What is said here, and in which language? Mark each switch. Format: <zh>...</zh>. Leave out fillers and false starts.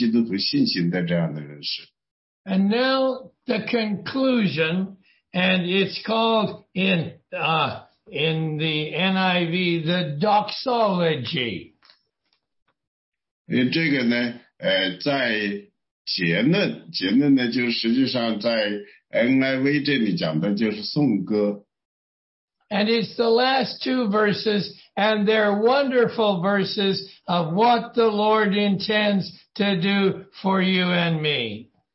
<zh>这个呢，实际上呢，答案是你不能那样，你不能就是说去跟他们，那些世界的人妥协。你要是去这样把他们抢救出来，从他们自己那种状况下抢救出来，让他和你一样的，所以你要去，把你的真道的那个信心过一个你的那个坚持的基督徒信心的这样的人士。</zh> <en>And now the conclusion, and it's called in the NIV, the doxology.</en> <zh>这个呢，在结论呢，就实际上在 NIV 这里讲的就是颂歌。</zh> <en>And it's the last two verses, and they're wonderful verses of what the Lord intends to do for you and me.</en>